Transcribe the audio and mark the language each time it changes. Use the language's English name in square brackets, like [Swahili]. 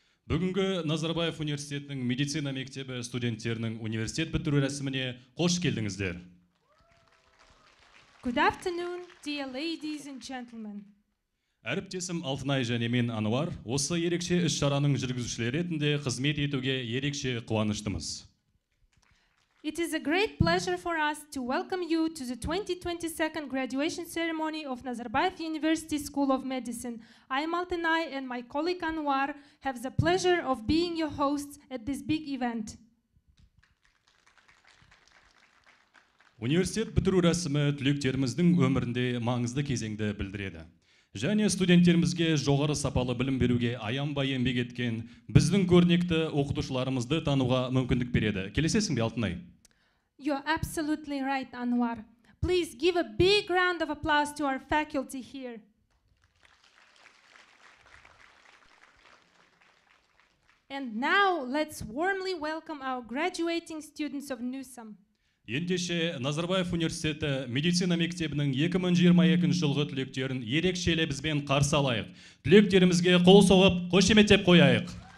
[Kazakh] Бүгінгі Назарбаев университетінің медицина мектебі студенттерінің университет бітіру рәсіміне қош келдіңіздер. [English] Good afternoon, dear ladies and gentlemen. [Kazakh] Әріптесім Алтынай және мен Ануар, осы ерекше іс-шараның жүргізушілері ретінде қызмет етуге ерекше қуаныштымыз. [English] It is a great pleasure for us to welcome you to the 2022 graduation ceremony of Nazarbayev University School of Medicine. I am Altınay and my colleague Anwar have the pleasure of being your hosts at this big event. [Kazakh] Университет бітіру рәсімі түлектеріміздің өмірінде маңызды кезеңді білдіреді. Және студенттерімізге жоғары сапалы білім беруге аянбай еңбек еткен біздің көрнекті оқытушыларымызды тануға мүмкіндік береді. Келесесің бе, Алтынай? [English] You're absolutely right, Anwar. Please give a big round of applause to our faculty here. And now let's warmly welcome our graduating students of NUSAM. [Kazakh] Ендеше Назарбаев университеті медицина мектебінің 2022 жылғы түлектерін ерекшеле бізбен қарсы алайық. Түлектерімізге қол соғып, қошеметтеп қояйық.